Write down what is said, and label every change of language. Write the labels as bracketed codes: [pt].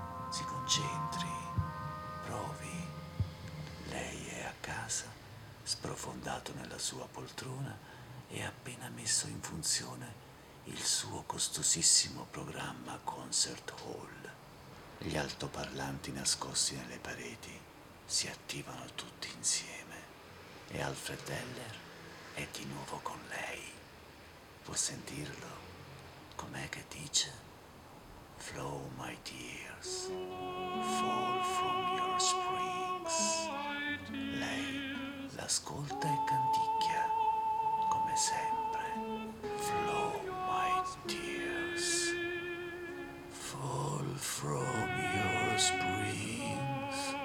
[it] Si concentri, provi. Lei è a casa, sprofondato nella sua poltrona e ha appena messo in funzione il suo costosissimo programma Concert Hall. Gli altoparlanti nascosti nelle pareti si attivano tutti insieme e Alfred Deller è di nuovo con lei. Può sentirlo? Com'è che dice? [en] Flow my tears, fall from your springs. [it] Lei l'ascolta e canticchia, come sempre. [en] Flow my tears, fall from your springs.